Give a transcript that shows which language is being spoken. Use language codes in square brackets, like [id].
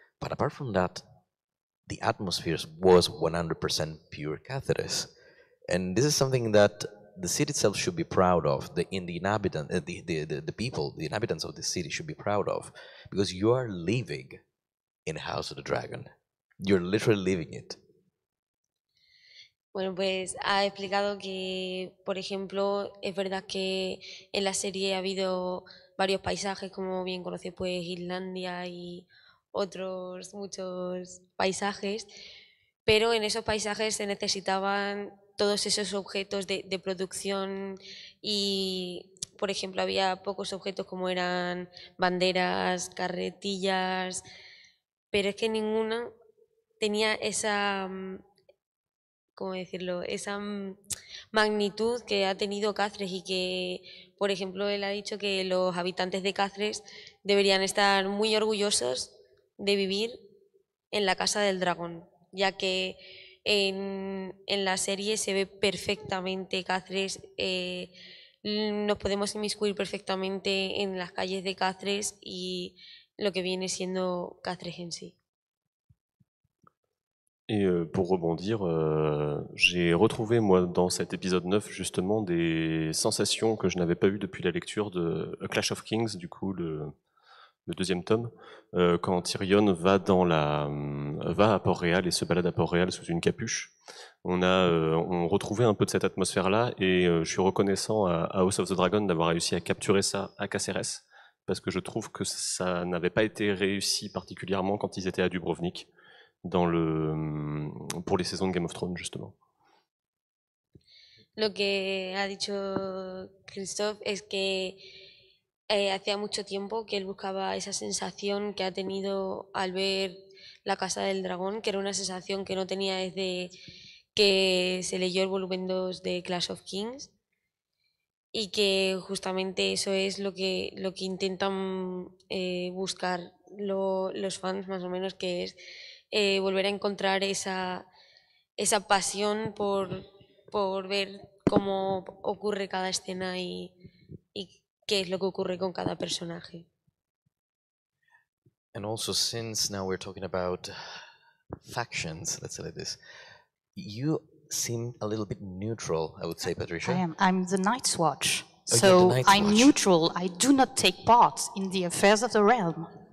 [en] But apart from that, the atmosphere was 100% pure Cáceres. And this is something that the city itself should be proud of, the inhabitants of the city should be proud of, because you are living in House of the Dragon. You're literally living it. [es] Bueno, pues ha explicado que, por ejemplo, es verdad que en la serie ha habido varios paisajes, como bien conoce, pues Islandia y otros muchos paisajes, pero en esos paisajes se necesitaban todos esos objetos de producción, y por ejemplo había pocos objetos como eran banderas, carretillas, pero es que ninguna tenía esa, ¿cómo decirlo?, esa magnitud que ha tenido Cáceres, y que por ejemplo él ha dicho que los habitantes de Cáceres deberían estar muy orgullosos de vivir en la Casa del Dragón, ya que en la serie se ve perfectamente Cáceres, nos podemos inmiscuir perfectamente en las calles de Cáceres y lo que viene siendo Cáceres en sí. [fr] Et pour rebondir, j'ai retrouvé moi dans cet épisode 9 justement des sensations que je n'avais pas eues depuis la lecture de A Clash of Kings, du coup le deuxième tome, quand Tyrion va à Port-Réal et se balade à Port-Réal sous une capuche. On retrouvait un peu de cette atmosphère-là, et je suis reconnaissant à House of the Dragon d'avoir réussi à capturer ça à Cáceres, parce que je trouve que ça n'avait pas été réussi particulièrement quand ils étaient à Dubrovnik, pour les saisons de Game of Thrones, justement. [es] Lo que ha dicho Christophe es que hacía mucho tiempo que él buscaba esa sensación que ha tenido al ver La Casa del Dragón, que era una sensación que no tenía desde que se leyó el volumen 2 de Clash of Kings, y que justamente eso es lo que intentan buscar los fans, más o menos, que es volver a encontrar esa pasión por ver cómo ocurre cada escena y qué es lo que ocurre con cada personaje. [en] And also, since now we're talking about factions, let's say like this, you seem a little bit neutral, I would say, Patricia. I am. I'm the Night's Watch. Oh, so yeah, the Night's I'm Watch. Neutral. I do not take part in the affairs of the realm.